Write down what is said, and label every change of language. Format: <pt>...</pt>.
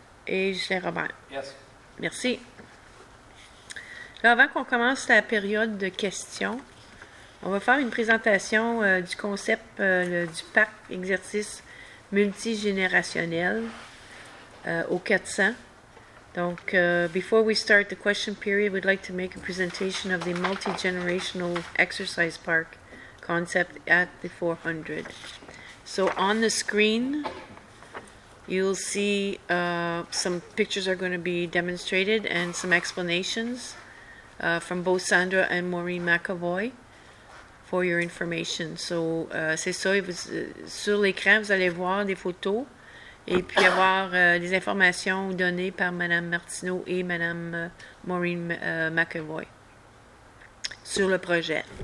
<fr>Et Gilles Robert.</fr> <en>Yes.</en> <fr>Merci. Là, avant qu'on commence la période de questions, on va faire une présentation du concept du parc exercice multigénérationnel au 400.</fr> <en>Donc, before we start the question period, we'd like to make a presentation of the multi-generational exercise park concept at the 400. So, on the screen, you'll see some pictures are going to be demonstrated and some explanations from both Sandra and Maureen McAvoy. For your information. So,</en> <fr>c'est ça. Sur l'écran, vous allez voir des photos et puis avoir des informations données par Mme Martineau et Mme Maureen McAvoy sur le projet.</fr>